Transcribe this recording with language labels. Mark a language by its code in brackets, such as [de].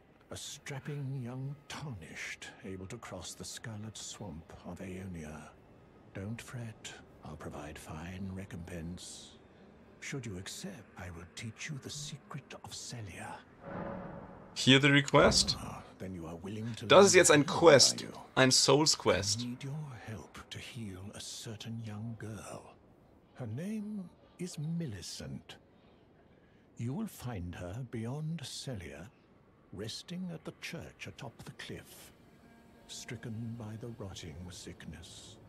[en] A strapping young tarnished, able to cross the Scarlet Swamp of Aeonia. Don't fret, I'll provide fine recompense. Should you accept, I will teach you the secret of Celia. Hear the request? [de] Das ist jetzt ein Quest, ein Souls Quest. [en] I need your help to heal a certain young girl. Her name is Millicent. You will find her beyond Celia, resting at the church atop the cliff, stricken by the rotting sickness.